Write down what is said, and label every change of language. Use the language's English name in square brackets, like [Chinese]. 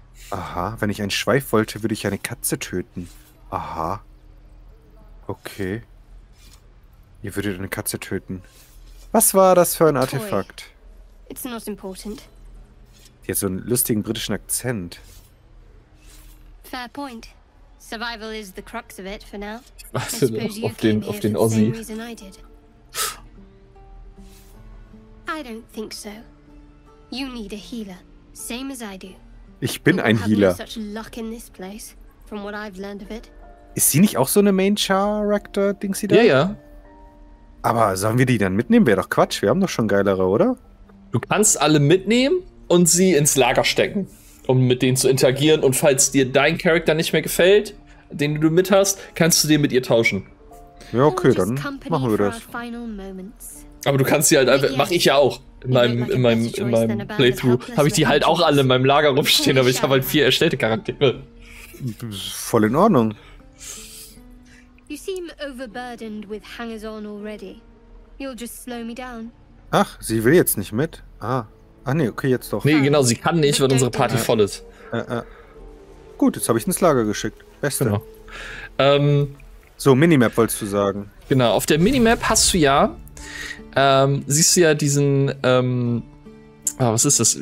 [German] Aha, wenn ich ein Schweif wollte, würde ich eine Katze töten. Aha. Okay. Ihr würdet eine Katze töten. Was war das für ein Artefakt? [English] It's not important. [German] Die hat so einen lustigen britischen Akzent. [English] Fair point. Survival is the crux of it for now. [German] Warte noch auf den Aussie. [English] I don't think so. You need a healer, same as I do. [German] Ich bin ein Healer. [English] Such luck in this place, from what I've learned of it. [German] Ist sie nicht auch so eine Main Character Ding sie da? Ja, ja. Aber sollen wir die dann mitnehmen? Wäre doch Quatsch, wir haben doch schon geilere, oder? Du kannst alle mitnehmen und sie ins Lager stecken. Um mit denen zu interagieren und falls dir dein Charakter nicht mehr gefällt, den du mit hast, kannst du den mit ihr tauschen. Ja, okay, dann machen wir das. Aber du kannst sie halt einfach, mach ich ja auch, in meinem Playthrough, habe ich die halt auch alle in meinem Lager rumstehen, aber ich habe halt 4 erstellte Charaktere. Voll in Ordnung. [English] You seem overburdened with hangers-on already. You'll just slow me down. [German] Ach, sie will jetzt nicht mit? Ah. Ach nee, okay, jetzt doch. Nee, genau, sie kann nicht, weil unsere Party voll ist. Gut, jetzt habe ich ins Lager geschickt. Beste. Genau. So, Minimap wolltest du sagen. Genau, auf der Minimap hast du ja, siehst du ja diesen, was ist das?